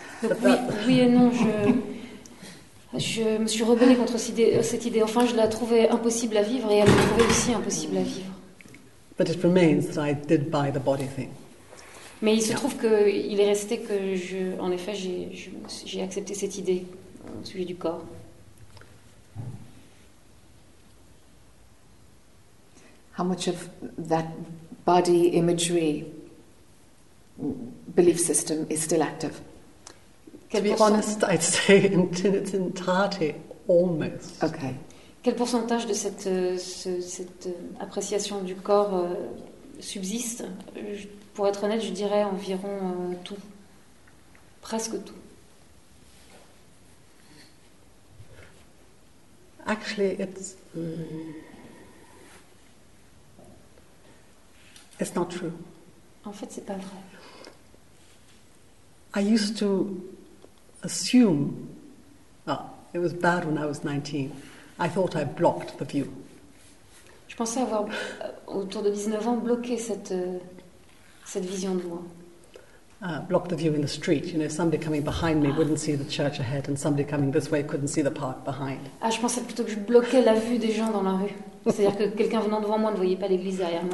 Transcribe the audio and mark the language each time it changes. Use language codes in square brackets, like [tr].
[fr] Oui et non, je me suis rebellée contre cette idée. Enfin, je la trouvais impossible à vivre et elle me trouvait aussi impossible à vivre. [en] But it remains that I did buy the body thing. [fr] Mais il se trouve qu'il est resté que, j'ai accepté cette idée au sujet du corps. [en] How much of that body imagery belief system is still active? To be honest, I'd say in its entirety, almost. Okay. [fr] Quel pourcentage de cette appréciation du corps subsiste? Pour être honnête, je dirais environ tout, presque tout. [en] Actually, it's it's not true. [fr] En fait, c'est pas vrai. [en] I used to assume, it was bad when I was 19. I thought I blocked the view. [fr] Je pensais avoir, autour de 19 ans, bloqué cette vision de moi. [en] Blocked the view in the street. You know, somebody coming behind me wouldn't see the church ahead, and somebody coming this way couldn't see the park behind. [fr] Ah, je pensais plutôt que je bloquais la vue des gens dans la rue. C'est-à-dire que quelqu'un venant devant moi ne voyait pas l'église derrière moi.